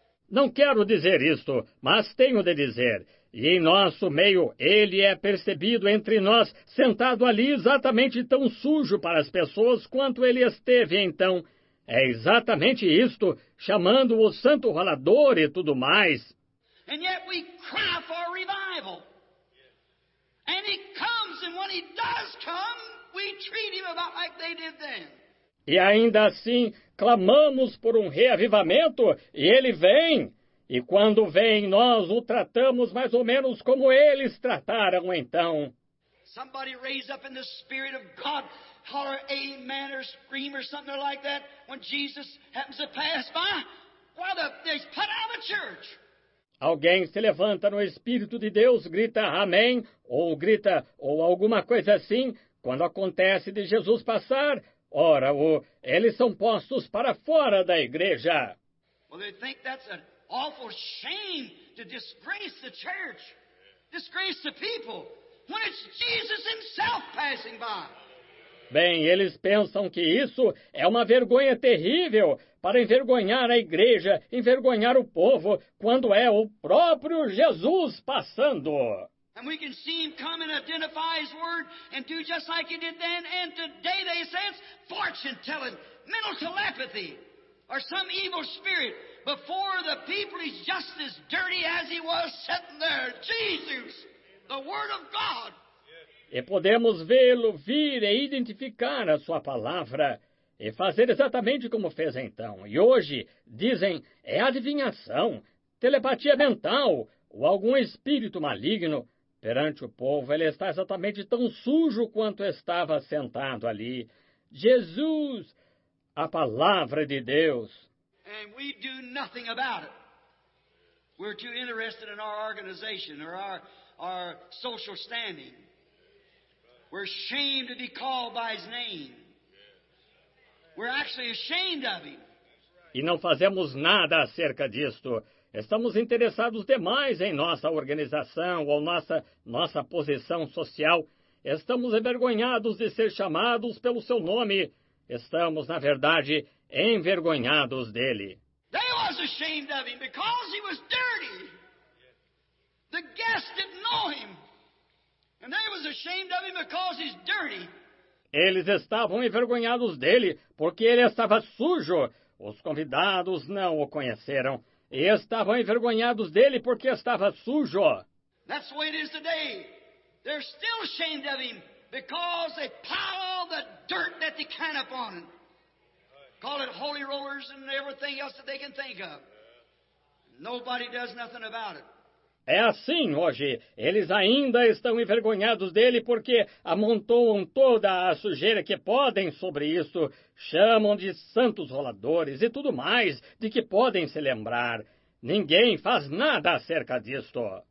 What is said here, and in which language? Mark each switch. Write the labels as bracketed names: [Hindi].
[Portuguese] Não quero dizer isto, mas tenho de dizer. E em nosso meio, ele é percebido entre nós, sentado ali exatamente tão sujo para as pessoas quanto ele esteve então. É exatamente isto, chamando o santo rolador e tudo mais. [English] And yet we cry for revival. And he comes, and when he does come, We treat him about like they did then. [Portuguese] E ainda assim, clamamos por um reavivamento e ele vem. E quando vem, nós o tratamos mais ou menos como eles trataram então. [English] Somebody raise up in the spirit of God, holler amen or scream or something like that when Jesus happens to pass by. Why they put out a church? [Portuguese] Alguém se levanta no Espírito de Deus, grita amém, ou grita, ou alguma coisa assim, quando acontece de Jesus passar, ora, ou eles são postos para fora da igreja. [English] Well, they think that's an awful shame to disgrace the church, disgrace the people, when it's Jesus himself passing by. [Portuguese] Bem, eles pensam que isso é uma vergonha terrível para envergonhar a igreja, envergonhar o povo, quando é o próprio Jesus passando. [English] And we can see him come and identify his word and do just like he did then, and today they sense fortune telling, mental telepathy, or some evil spirit. Before the people he's just as dirty as he was sitting there. Jesus, the word of God. [Portuguese] E podemos vê-lo vir e identificar a sua palavra e fazer exatamente como fez então. E hoje, dizem, é adivinhação, telepatia mental ou algum espírito maligno. Perante o povo, ele está exatamente tão sujo quanto estava sentado ali. Jesus, a palavra de Deus. E nós não fazemos nada sobre isso. Estamos muito interessados em nossa organização ou nosso [English] social standing. We're ashamed to be called by his name. We're actually ashamed of him. [Portuguese] E não fazemos nada acerca disto. Estamos interessados demais em nossa organização ou nossa posição social. Estamos envergonhados de ser chamados pelo seu nome. Estamos, na verdade, envergonhados dele. [English] They was ashamed of him because he was dirty. The guests didn't know him. And they was ashamed of him because he's dirty. [Portuguese] Eles estavam envergonhados dele porque ele estava sujo. Os convidados não o conheceram. E estavam envergonhados dele porque estava sujo. [English] That's the way it is today. They're still ashamed of him because they pile all the dirt that they can upon him. Call it holy rollers and everything else that they can think of. Nobody does nothing about it. [Portuguese] É assim hoje. Eles ainda estão envergonhados dele porque amontoam toda a sujeira que podem sobre isso. Chamam de santos roladores e tudo mais de que podem se lembrar. Ninguém faz nada acerca disto.